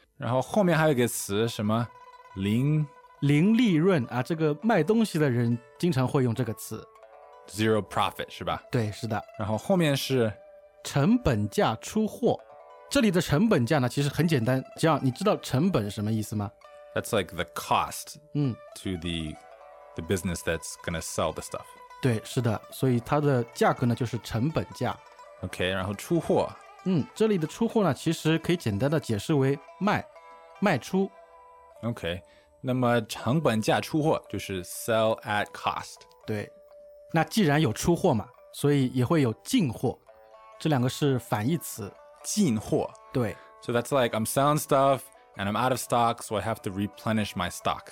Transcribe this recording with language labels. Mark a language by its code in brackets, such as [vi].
[zh] 然后后面还有一个词，什么零利润啊？这个卖东西的人经常会用这个词， [en] zero profit [zh] 是吧？对，是的。然后后面是成本价出货。这里的成本价呢，其实很简单，这样你知道成本什么意思吗 [en] ？That's like the cost. To the business that's gonna sell the stuff. [zh] 对，是的。所以它的价格呢，就是成本价。 OK， 然后出货。嗯，这里的出货呢，其实可以简单的解释为卖出。 OK， 那么成本价出货就是 [en] sell at cost。 [zh] 对，那既然有出货嘛，所以也会有进货，这两个是反义词。进货。对。 [en] So that's like I'm selling stuff and I'm out of stock, so I have to replenish my stock.